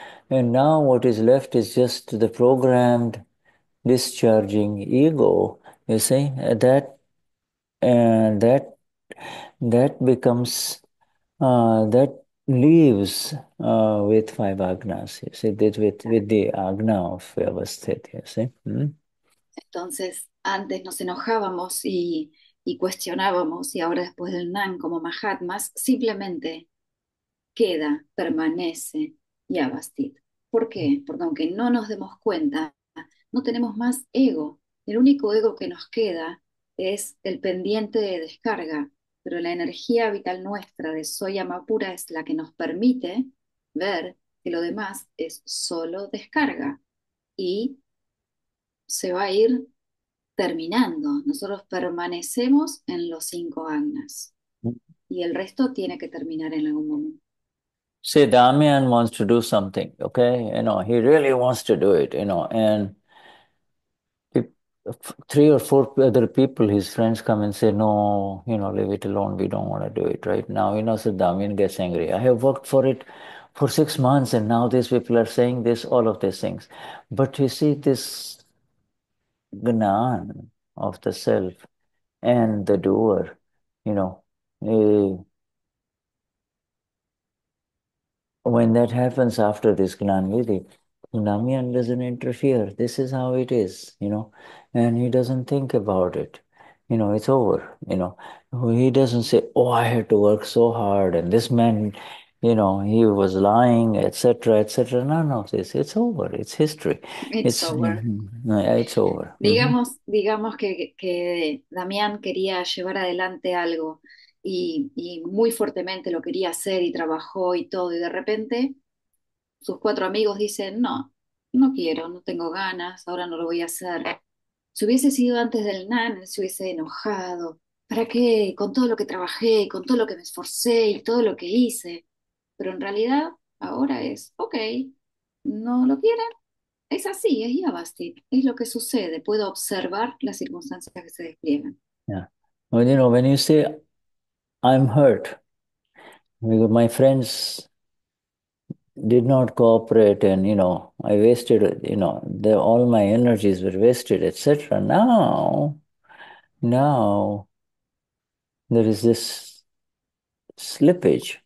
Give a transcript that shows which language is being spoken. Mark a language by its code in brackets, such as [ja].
[en] And now what is left is just the programmed discharging ego, you see, that becomes, that leaves with five agnas, you see, with the agna of vyavasthita, you see. [es] entonces, antes nos enojábamos y cuestionábamos, y ahora después del NAN como Mahatmas, simplemente queda, permanece yavastit. ¿Por qué? Porque aunque no nos demos cuenta, no tenemos más ego. El único ego que nos queda es el pendiente de descarga, pero la energía vital nuestra de Soyama Pura es la que nos permite ver que lo demás es solo descarga y se va a ir terminando. Nosotros permanecemos en los cinco agnas y el resto tiene que terminar en algún momento. [en] See, Damian wants to do something, okay? You know, he really wants to do it, you know. And three or four other people, his friends, come and say, no, you know, leave it alone. We don't want to do it right now. You know, so Damian gets angry. I have worked for it for 6 months, and now these people are saying this, all of these things. But you see, this gnan of the self and the doer, you know, when that happens after this Gnanvidhi, Namyan doesn't interfere. This is how it is, you know. And he doesn't think about it. You know, it's over, you know. He doesn't say, oh, I had to work so hard, and this man, you know, he was lying, etc., etc. None of this. It's over. It's history. It's over. It's over. [es] Digamos que Damián quería llevar adelante algo y muy fuertemente lo quería hacer y trabajó y todo, y de repente sus cuatro amigos dicen, no, no quiero, no tengo ganas, ahora no lo voy a hacer. Si hubiese sido antes del NAN, se hubiese enojado. ¿Para qué? Con todo lo que trabajé, con todo lo que me esforcé y todo lo que hice. Pero en realidad ahora es, ok, no lo quieren. Es así, es Yavasti, es lo que sucede, puedo observar las circunstancias que se despliegan. [en] Well, you know, when you say, I'm hurt because my friends did not cooperate, and you know, I wasted, you know, all my energies were wasted, etc. Now there is this slippage.